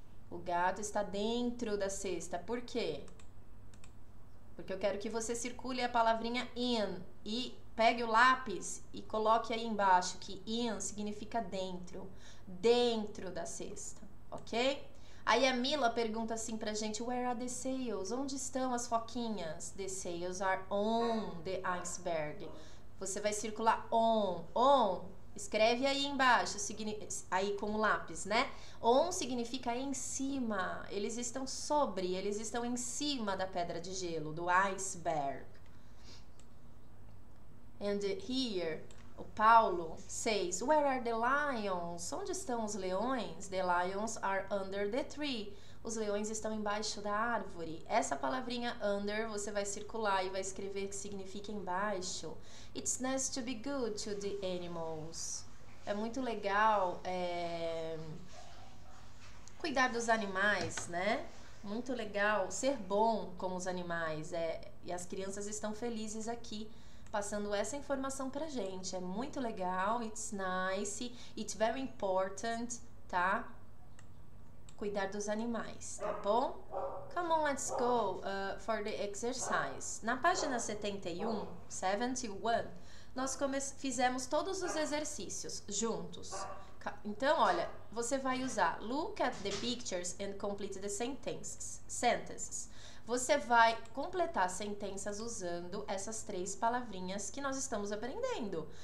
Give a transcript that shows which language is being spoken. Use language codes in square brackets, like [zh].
[pt] O gato está dentro da cesta. Por quê? Porque eu quero que você circule a palavrinha in e pegue o lápis e coloque aí embaixo que in significa dentro, dentro da cesta, ok? Aí a Mila pergunta assim pra gente: [en] Where are the sails? [pt] Onde estão as foquinhas? [en] The sails are on the iceberg. [pt] Você vai circular on. On, escreve aí embaixo, aí com o lápis, né? On significa em cima. Eles estão sobre, eles estão em cima da pedra de gelo, do iceberg. [en] And here. O Paulo 6. Where are the lions? [pt] Onde estão os leões? [en] The lions are under the tree. [pt] Os leões estão embaixo da árvore. Essa palavrinha under você vai circular e vai escrever que significa embaixo. [en] It's nice to be good to the animals. [pt] É muito legal cuidar dos animais, né? Muito legal ser bom com os animais. E as crianças estão felizes aqui. Passando essa informação pra gente. É muito legal, [en] it's nice, it's very important, [pt] tá? Cuidar dos animais, tá bom? [en] Come on, let's go for the exercise. [pt] Na página 71, 71, nós fizemos todos os exercícios juntos. Então, olha, você vai usar [en] look at the pictures and complete the sentences. [pt] Você vai completar sentenças usando essas três palavrinhas que nós estamos aprendendo.